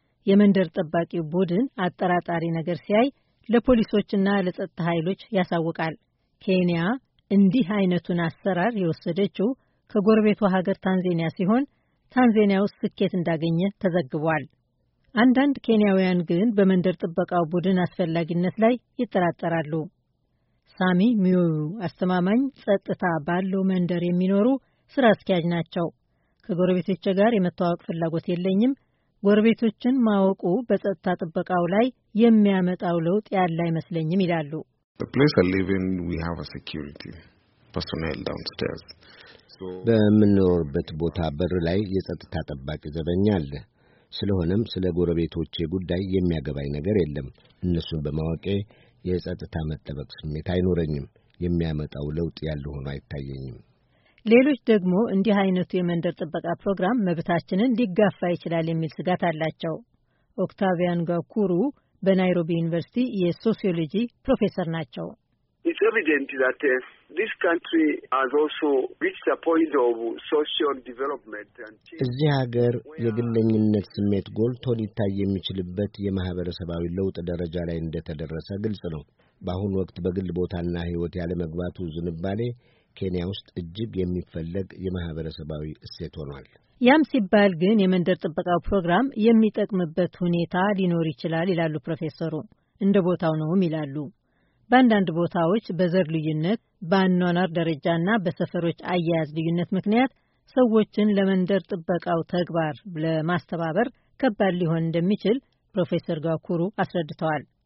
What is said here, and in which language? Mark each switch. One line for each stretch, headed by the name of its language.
Amharic: የመንደር ጠባቂ ቡድን አጠራጣሪ ነገር ሲያይ ለፖሊሶችና ለጸጥታ ኃይሎች ያሳውቃል። ኬንያ እንዲህ አይነቱን አሰራር የወሰደችው ከጎረቤቷ ሀገር ታንዛኒያ ሲሆን ታንዛኒያ ውስጥ ስኬት እንዳገኘ ተዘግቧል። አንዳንድ ኬንያውያን ግን በመንደር ጠባቂው ቡድን አስፈላጊነት ላይ ይጠራጠራሉ። ሳሚ ሚዩ አስተማማኝ ጸጥታ ባለው መንደር የሚኖሩ ስራ አስኪያጅ ናቸው። ከጎረቤቶች ጋር የመተዋወቅ ፍላጎት የለኝም። ጎረቤቶችን ማወቁ በጸጥታ ጥበቃው ላይ የሚያመጣው ለውጥ ያለ አይመስለኝም ይላሉ።
English: The place I live in, we have a security personnel downstairs.
Amharic: በምንኖርበት ቦታ በር ላይ የጸጥታ ጠባቂ ዘበኛ አለ። ስለሆነም ስለ ጎረቤቶቼ ጉዳይ የሚያገባኝ ነገር የለም። እነሱን በማወቄ የጸጥታ መጠበቅ ስሜት አይኖረኝም። የሚያመጣው ለውጥ ያለ ሆኖ አይታየኝም። ሌሎች ደግሞ እንዲህ አይነቱ የመንደር ጥበቃ ፕሮግራም መብታችንን ሊጋፋ ይችላል የሚል ስጋት አላቸው። ኦክታቪያን ጋኩሩ በናይሮቢ ዩኒቨርሲቲ የሶሲዮሎጂ ፕሮፌሰር ናቸው።
English: It's evident that this country has also reached a point of social development
Amharic: እዚህ ሀገር የግለኝነት ስሜት ጎልቶ ሊታይ የሚችልበት የማህበረሰባዊ ለውጥ ደረጃ ላይ እንደተደረሰ ግልጽ ነው። በአሁን ወቅት በግል ቦታና ህይወት ያለ መግባቱ ዝንባሌ ኬንያ ውስጥ እጅግ የሚፈልግ የማህበረሰባዊ እሴት ሆኗል። ያም ሲባል ግን የመንደር ጥበቃው ፕሮግራም የሚጠቅምበት ሁኔታ ሊኖር ይችላል ይላሉ ፕሮፌሰሩ። እንደ ቦታው ነው ይላሉ። በአንዳንድ ቦታዎች በዘር ልዩነት፣ በአኗኗር ደረጃና በሰፈሮች አያያዝ ልዩነት ምክንያት ሰዎችን ለመንደር ጥበቃው ተግባር ለማስተባበር ከባድ ሊሆን እንደሚችል ፕሮፌሰር ጋኩሩ አስረድተዋል።